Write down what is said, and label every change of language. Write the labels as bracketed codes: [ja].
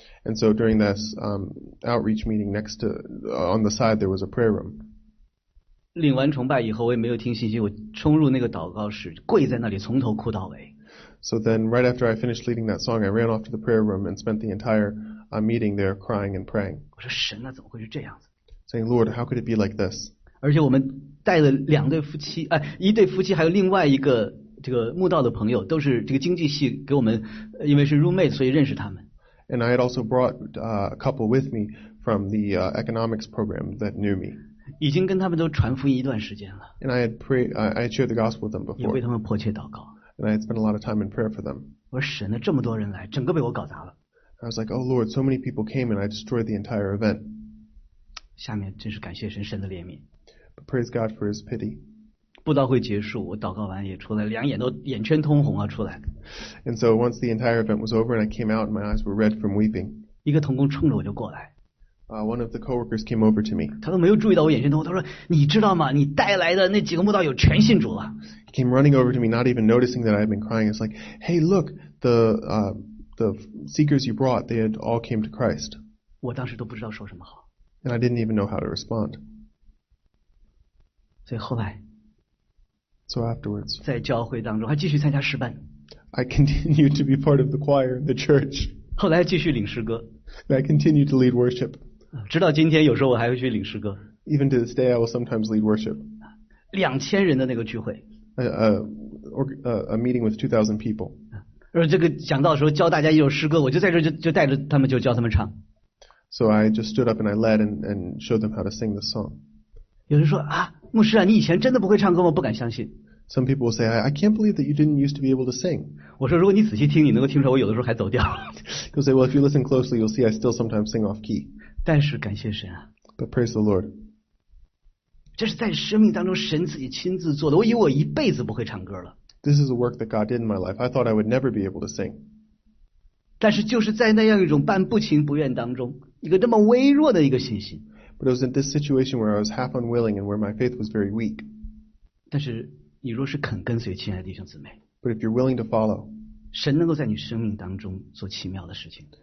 [en] And so during this outreach meeting next to, on the side, there was a prayer room. [zh] 领完崇拜以后，我也没有听信息，我冲入那个祷告室，跪在那里从头哭到尾。 [en] So then right after I finished leading that song, I ran off to the prayer room and spent the entire meeting there crying and praying. [zh] 我说神啊，怎么会是这样子？ [en] Saying, Lord, how could it be like this? [zh] 而且我们带了两对夫妻，哎，一对夫妻还有另外一个这个慕道的朋友，都是这个经济系给我们，因为是 roommate, 所以认识他们。 [en] And I had also brought a couple with me from the economics program that knew me. [zh] 已经跟他们都传福音一段时间了。 [en] And I had shared the gospel with them before. [zh] 也为他们迫切祷告。 [en] And I had spent a lot of time in prayer for them. [zh] 我说神啊，这么多人来，整个被我搞砸了。 [en] I was like, Oh Lord, so many people came and I destroyed the entire event. [zh] 下面真是感谢神，神的怜悯。 [en] But praise God for His pity. [zh] 布道会结束，我祷告完也出来，两眼都眼圈通红啊，出来。 [en] And so once the entire event was over and I came out, my eyes were red from weeping. [zh] 一个同工冲着我就过来。 [en] One of the coworkers came over to me. [zh] 他都没有注意到我眼圈通红，他说：“你知道吗？你带来的那几个慕道友全信主了。” [en] He came running over to me, not even noticing that I had been crying. It's like, "Hey, look, the seekers you brought, they had all came to Christ." [zh] 我当时都不知道说什么好。 [en] And I didn't even know how to respond. [zh] 所以后来。 [en] So afterwards. [zh] 在教会当中还继续参加诗班。 [en] I continued to be part of the choir in the church. [zh] 后来继续领诗歌。 [en] And I continued to lead worship. [zh] 直到今天，有时候我还会去领诗歌。 [en] Even to this day, I will sometimes lead worship. [zh] 2000人的那个聚会。 [en] A meeting with 2,000 people. [zh] 而这个讲到的时候教大家一首诗歌，我就在这就带着他们就教他们唱。 [en] So I just stood up and I led and showed them how to sing the song. [zh] 有人说啊，牧师啊，你以前真的不会唱歌吗？不敢相信。 [en] Some people will say, I can't believe that you didn't used to be able to sing. [zh] 我说如果你仔细听，你能够听出来我有的时候还走调。 [en] He'll say, well, if you listen closely, you'll see I still sometimes sing off key. [zh] 但是感谢神啊。 [en] But praise the Lord. [zh] 这是在生命当中神自己亲自做的。我以为我一辈子不会唱歌了。 [en] This is a work that God did in my life. I thought I would never be able to sing. [zh] 但是就是在那样一种半不情不愿当中，一个这么微弱的一个信心。 [en] But it was in this situation where I was half unwilling and where my faith was very weak. [zh] 但是你若是肯跟随，亲爱的弟兄姊妹， [en] But if you're willing to follow, [zh] 神能够在你生命当中做奇妙的事情。